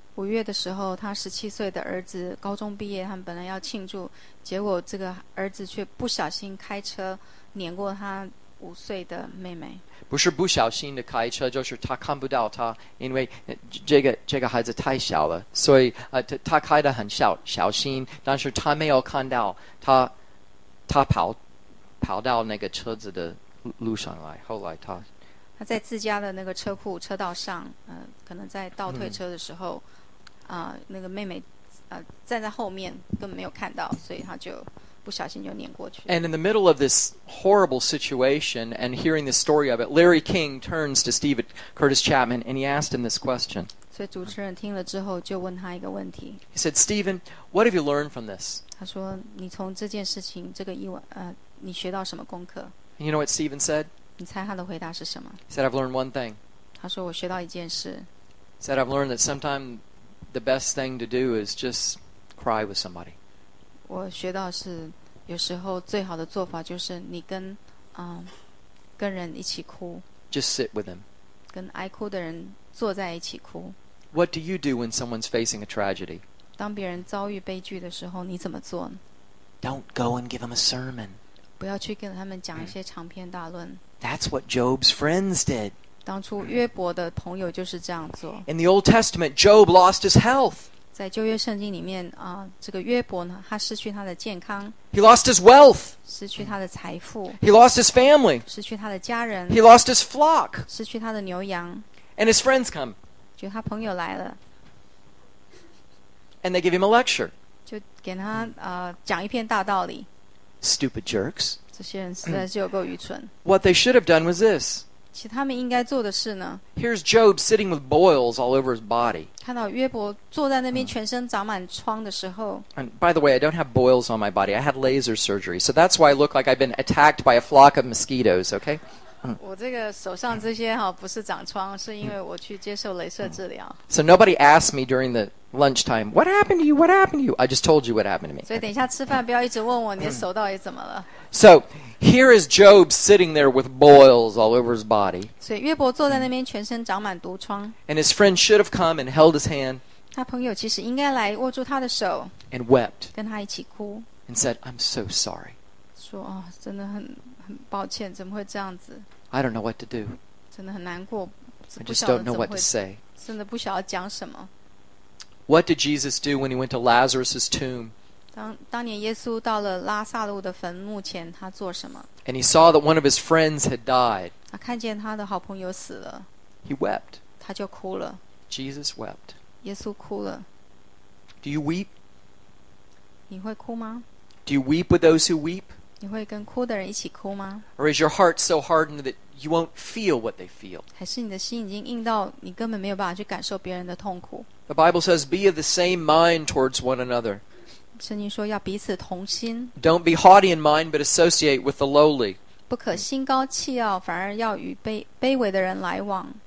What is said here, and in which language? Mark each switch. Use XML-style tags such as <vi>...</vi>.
<zh>五月的时候，他十七岁的儿子高中毕业，他们本来要庆祝，结果这个儿子却不小心开车碾过他五岁的妹妹。不是不小心的开车，就是他看不到他，因为这个孩子太小了，所以他开得很小心，但是他没有看到他跑到那个车子的路上来，后来他在自家的那个车库车道上，可能在倒退车的时候，那个妹妹站在后面根本没有看到，所以他就不小心就碾过去。</zh> <en>And in the middle of this horrible situation and hearing the story of it, Larry King turns to Steve Curtis Chapman and he asked him this question.</en> <zh>所以主持人听了之后就问他一个问题。</zh> <en>He said, Stephen, what have you learned from this?</en> <zh>他说你从这件事情这个意外你学到什么功课？</zh> <en>And you know what Stephen said?</en> <zh>你猜他的回答是什么？</zh> <en>He said, I've learned one thing.</en> <zh>他说我学到一件事。</zh> <en>He said, I've learned that sometimes the best thing to do is just cry with somebody.</en> <zh>我学到是有时候最好的做法就是你跟跟人一起哭。</zh> <en>Just sit with them.</en> <zh>跟爱哭的人坐在一起哭。</zh> <en>What do you do when someone's facing a tragedy?</en> <zh>当别人遭遇悲剧的时候你怎么做呢？</zh> <en>Don't go and give them a sermon.</en> <zh>不要去跟他们讲一些长篇大论。</zh> <en>That's what Job's friends did.</en> <zh>当初约伯的朋友就是这样做。</zh> <en>In the Old Testament, Job lost his health.</en> <zh>在旧约圣经里面这个约伯呢他失去他的健康。</zh> <en>He lost his wealth.</en> <zh>失去他的财富。</zh> <en>He lost his family.</en> <zh>失去他的家人。</zh> <en>He lost his flock.</en> <zh>失去他的牛羊。</zh> <en>And his friends come.</en> <zh>就他朋友来了。</zh> <en>And they give him a lecture.</en> <zh>就给他讲一篇大道理。</zh> <en>Stupid jerks.</en> <zh>这些人实在是有够愚蠢。</zh> <en>What they should have done was this.</en> <zh>其实他们应该做的事呢</zh> <en>Here's Job sitting with boils all over his body.</en> <zh>看到约伯坐在那边全身长满疮的时候</zh> <en>And by the way, I don't have boils on my body. I had laser surgery. So that's why I look like I've been attacked by a flock of mosquitoes, okay?</en> <zh>我这个手上这些不是长疮是因为我去接受雷射治疗</zh> <en>So nobody asked me during the lunchtime, What happened to you? What happened to you? I just told you what happened to me.</en> <zh>所以等一下吃饭不要一直问我你的手到底怎么了</zh> <en>SoHere is Job sitting there with boils all over his body.</en> <zh>所以约伯坐在那边全身长满毒疮。</zh> <en>And his friend should have come and held his hand.</en> <zh>他朋友其实应该来握住他的手。</zh> <en>And wept.</en> <zh>跟他一起哭。</zh> <en>And said, I'm so sorry.</en> <zh>说真的很抱歉怎么会这样子。</zh> <en>I don't know what to do.</en> <zh>真的很难过。</zh> <en>I just don't know what to say.</en> <zh>真的不晓得讲什么。</zh> <en>What did Jesus do when he went to Lazarus's tomb?</en> <zh>当年耶稣到了拉撒路的坟墓前他做什么</zh> <en>And he saw that one of his friends had died.</en> <zh>他看见他的好朋友死了</zh> <en>He wept.</en> <zh>他就哭了</zh> <en>Jesus wept.</en> <zh>耶稣哭了</zh> <en>Do you weep?</en> <zh>你会哭吗</zh> <en>Do you weep with those who weep?</en> <zh>你会跟哭的人一起哭吗</zh> <en>Or is your heart so hardened that you won't feel what they feel?</en> <zh>还是你的心已经硬到你根本没有办法去感受别人的痛苦</zh> <en>The Bible says be of the same mind towards one another.</en> <zh>圣经说要彼此同心</zh> <en>Don't be haughty in mind but associate with the lowly</en> <zh>不可心高气傲反而要与卑微的人来往</zh>